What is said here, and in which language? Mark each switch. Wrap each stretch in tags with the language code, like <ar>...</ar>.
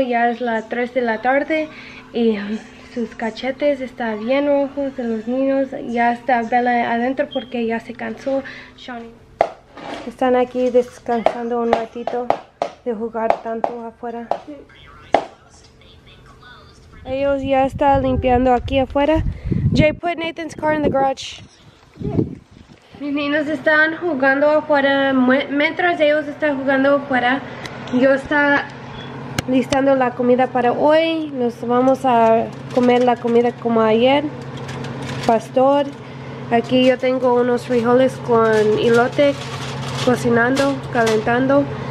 <es>Ya es las 3 de la tarde y sus cachetes están bien rojos de los niños. Ya está Bella adentro porque ya se cansó. Shawnee. Están aquí descansando un ratito de jugar tanto afuera. Ellos ya están limpiando aquí afuera.</es> <en>Jay, put Nathan's car in the garage.</en> <es>Mis niños están jugando afuera. Mientras ellos están jugando afuera, yo estoy listando la comida para hoy. Nos vamos a comer la comida como ayer. Pastor. Aquí yo tengo unos frijoles con elote cocinando, calentando.</es>